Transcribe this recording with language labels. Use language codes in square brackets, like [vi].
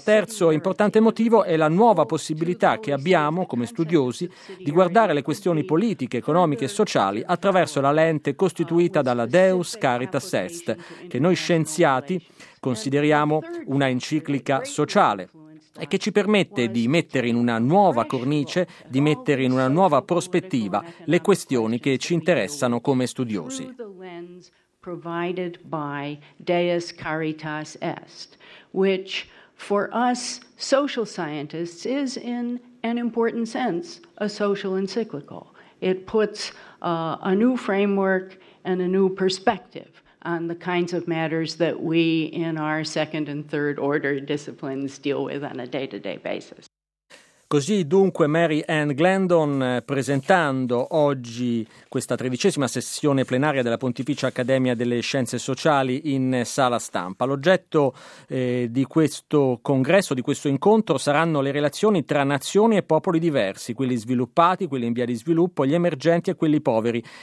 [it] Terzo e importante motivo è la nuova possibilità che abbiamo, come studiosi, di guardare le questioni politiche, economiche e sociali attraverso la lente costituita dalla Deus Caritas Est, che noi scienziati consideriamo una enciclica sociale e che ci permette di mettere in una nuova cornice, di mettere in una nuova prospettiva le questioni che ci interessano come studiosi. [en] Provided by Deus Caritas Est, which for us social scientists is in an important sense a social encyclical. It puts a new framework and a new perspective on the kinds of matters that we in our second and third order disciplines deal with on a day-to-day basis. [it] Così dunque Mary Ann Glendon presentando oggi questa 13ª sessione plenaria della Pontificia Accademia delle Scienze Sociali in sala stampa. L'oggetto di questo congresso, di questo incontro, saranno le relazioni tra nazioni e popoli diversi, quelli sviluppati, quelli in via di sviluppo, gli emergenti e quelli poveri.